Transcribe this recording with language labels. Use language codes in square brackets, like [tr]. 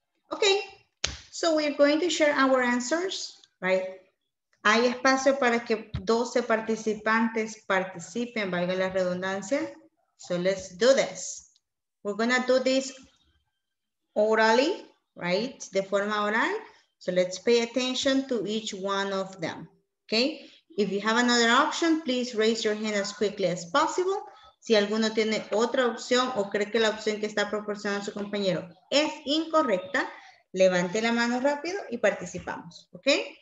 [en] Okay, so we're going to share our answers, right? [es] Hay espacio para que 12 participantes participen, valga la redundancia. [en] So let's do this. We're gonna do this orally, right? [es] De forma oral. [en] So let's pay attention to each one of them, okay? If you have another option, please raise your hand as quickly as possible. [es] Si alguno tiene otra opción o cree que la opción que está proporcionando su compañero es incorrecta, levante la mano rápido y participamos, ¿okay?